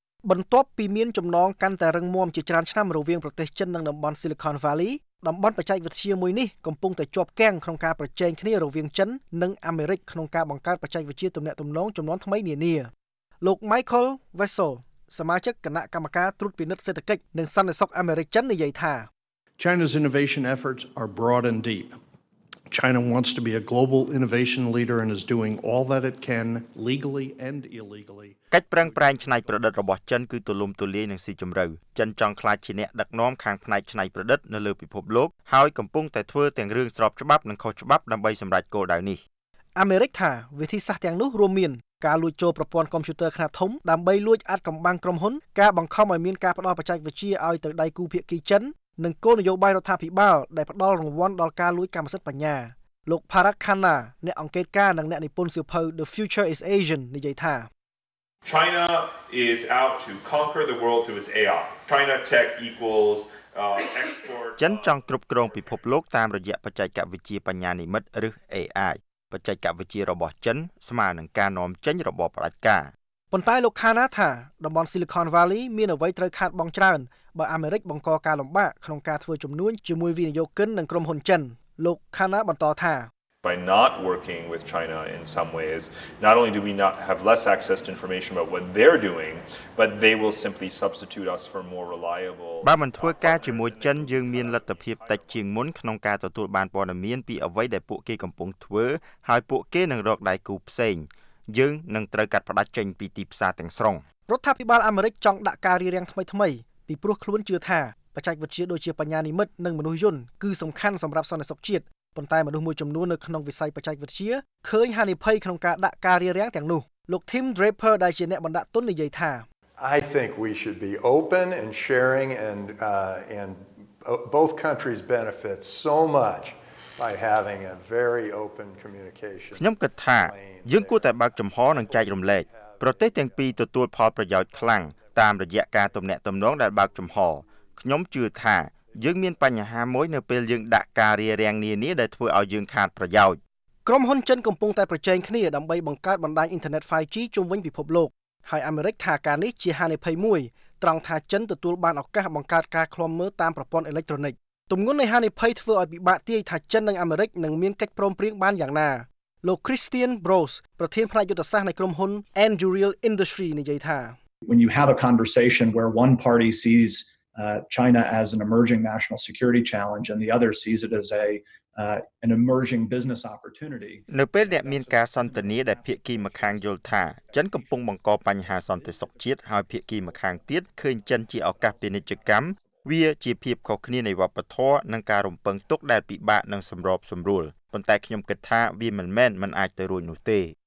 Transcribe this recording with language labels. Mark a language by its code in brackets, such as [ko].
[km] បន្ទាប់ពីមានចំណងកាន់តែរឹងមាំជាច្រើនឆ្នាំរវាងប្រទេសចិននិងតំបន់ Silicon Valley តំបន់បច្ចេកវិទ្យាមួយនេះកំពុងតែជាប់គាំងក្នុងការប្រជែងគ្នារវាងចិននិងអាមេរិកក្នុងការបង្កើតបច្ចេកវិទ្យាទំនាក់ទំនងចំនួនថ្មីនានាលោក Michael Vessel សមាជិកគណៈកម្មការត្រួតពិនិត្យសេដ្ឋកិច្ចនិងសន្តិសុខអាមេរិកចិននិយាយថា [en] China's innovation efforts are broad and deep. China wants to be a global innovation leader and is doing all that it can legally and illegally. [km] កិច្ចប្រឹងប្រែងច្នៃប្រឌិតរបស់ចិនគឺទូលំទូលាយនិងស៊ីជម្រៅចិនចង់ក្លាយជាអ្នកដឹកនាំខាងផ្នែកច្នៃប្រឌិតនៅលើពិភពលោកហើយកំពុងតែធ្វើទាំងរឿងស្របច្បាប់និងខុសច្បាប់ដើម្បីសម្រេចគោលដៅនេះ អាមេរិកថាវិធីសាស្ត្រទាំងនោះរួមមានការលួចចូលប្រព័ន្ធកុំព្យូទ័រខ្នាតធំដើម្បីលួចអាត់កំបាំងក្រុមហ៊ុនការបង្ខំឲ្យមានការផ្ដល់បច្ចេកវិទ្យាឲ្យទៅដៃគូភាគីចិននិងគោលនយោបាយរដ្ឋាភិបាលដែលផ្ដល់រង្វាន់ដល់ការលួចកម្មសិទ្ធិបញ្ញាលោក Parag Khanna អ្នកអង្កេតការនិងអ្នកនិពន្ធសៀវភៅ The Future is Asian និយាយថា [en] China is out to conquer the world through its AI. China tech equals export. [km] ចិនចង់គ្រប់គ្រងពិភពលោកតាមរយៈបច្ចេកវិទ្យាបញ្ញានិម្មិតឬ AI. បច្ចេកវិទ្យារបស់ចិនស្មើនឹងការនាំចេញរបស់ផ្ដាច់ការ ប៉ុន្តែលោកខាណាថាតំបន់ Silicon Valley មានអ្វីត្រូវខាតបងច្រើនបើអាមេរិកបង្កការលំបាកក្នុងការធ្វើជំនួញជាមួយវិនិយោគិននិងក្រុមហ៊ុនចិនលោកខាណាបន្តថា [en] By not working with China in some ways not only do we not have less access to information about what they're doing but they will simply substitute us for more reliable [km] បើមិនធ្វើការជាមួយចិនយើងមានលទ្ធភាពតិចជាងមុនក្នុងការទទួលបានព័ត៌មានពីអ្វីដែលពួកគេកំពុងធ្វើហើយពួកគេនឹងរកដៃគូផ្សេងយើងនឹងត្រូវកាត់ផ្ដាច់ចេញពីទីផ្សារទាំងស្រុង រដ្ឋាភិបាលអាមេរិកចង់ដាក់ការរៀបរៀងថ្មីថ្មីពីព្រោះខ្លួនជឿថាបច្ចេកវិទ្យាដូចជាបញ្ញានិម្មិតនិងមនុស្សយន្តគឺសំខាន់សម្រាប់សន្តិសុខជាតិប៉ុន្តែមនុស្សមួយចំនួននៅក្នុងវិស័យបច្ចេកវិទ្យាឃើញហានិភ័យក្នុងការដាក់ការរារាំងទាំងនោះលោក Tim Draper ដែលជាអ្នកបណ្ដាក់ទុននិយាយថា [en] I think we should be open and sharing and both countries benefit so much by having a very open communication [km] ខ្ញុំគិតថាយើងគួរតែបើកចំហនិងចែករំលែកប្រទេសទាំងពីរទទួលផលប្រយោជន៍ខ្លាំងតាមរយៈការទំនាក់ទំនងដែលបើកចំហខ្ញុំជឿថាយើងមានបញ្ហាមួយនៅពេលយើងដាក់ការរារាំងនានាដែលធ្វើឲ្យយើងខាតប្រយោជន៍ក្រុមហ៊ុនចិនកំពុងតែប្រជែងគ្នាដើម្បីបង្កើតបណ្ដាញអ៊ីនធឺណិត 5G ជុំវិញពិភពលោកហើយអាមេរិកថាការនេះជាហានិភ័យមួយត្រង់ថាចិនទទួលបានឱកាសបង្កើតការឃ្លាំមើលតាមប្រព័ន្ធអេឡិចត្រូនិកទំនួននៃហានិភ័យធ្វើឲ្យពិបាកទាយថាចិននិងអាមេរិកនឹងមានកិច្ចព្រមព្រៀងបានយ៉ាងណាលោក Christian Bros ប្រធានផ្នែកយុទ្ធសាស្ត្រនៃក្រុមហ៊ុន Endurial Industry និយាយថា [en] When you have a conversation where one party seesChina as an emerging national security challenge and the other sees it as an emerging business opportunity [km] នៅពេលដែលមានការសន្ទនាដែលភាគីម្ខាងយល់ថាចិនកំពុងបង្កបញ្ហាសន្តិសុខជាតិហើយភាគីម្ខាងទៀតឃើញចិនជាឱកាសពាណិជ្ជកម្មវាជាភាពខុសគ្នានៃវប្បធម៌និងការរំពឹងទុកដែលពិបាកនឹងសម្របសម្រួលប៉ុន្តែខ្ញុំគិតថាវាមិនមែនមិនអាចទៅរួចនោះទេ